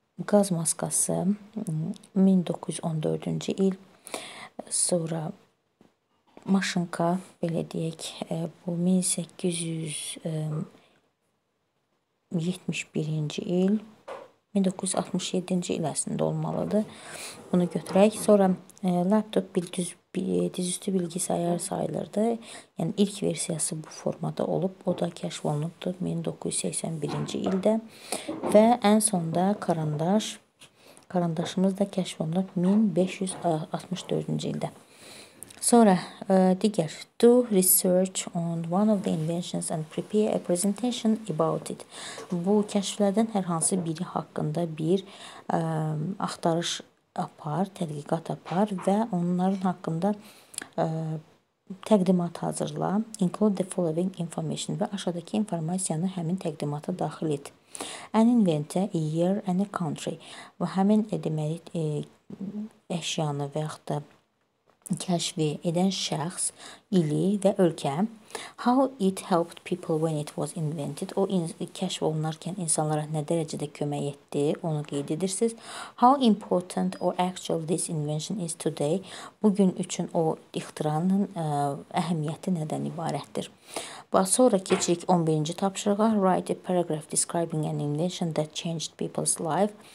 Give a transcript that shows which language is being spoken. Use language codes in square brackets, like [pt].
[az] Qaz maskası 1914-cü il. Sonra maşınka, belə deyək, bu 1871-ci il. 1967-ci il əslində olmalıdır. Bunu götürək. Sonra laptop dizüstü bilgisayar sayılırdı. Yəni, ilk versiyası bu formada olub. O da kəşf olunubdur 1981-ci ildə. Və ən sonda karandaşımız da kəşf olunub 1564-cü ildə. Sonra, digər, [en] do research on one of the inventions and prepare a presentation about it. [az] Bu kəşflərdən hər hansı biri haqqında bir axtarış apar, tədqiqat apar və onların haqqında Təqdimat hazırla. [en] Include the following information [az] və aşağıdakı informasiyanı həmin təqdimata daxil et. [en] An inventor, a year and a country. [az] Və həmin deməli əşyanı və yaxud da kəşfi edən şəxs, ili və ölkə. [en] How it helped people when it was invented. [az] O kəşf olunarkən insanlara nə dərəcədə kömək etdi, onu qeyd edirsiniz. [en] How important or actual this invention is today. [az] Bugün üçün o ixtiranın əhəmiyyəti nədən ibarətdir. Sonra keçirik 11-ci tapşırığa. [en] Write a paragraph describing an invention that changed people's life.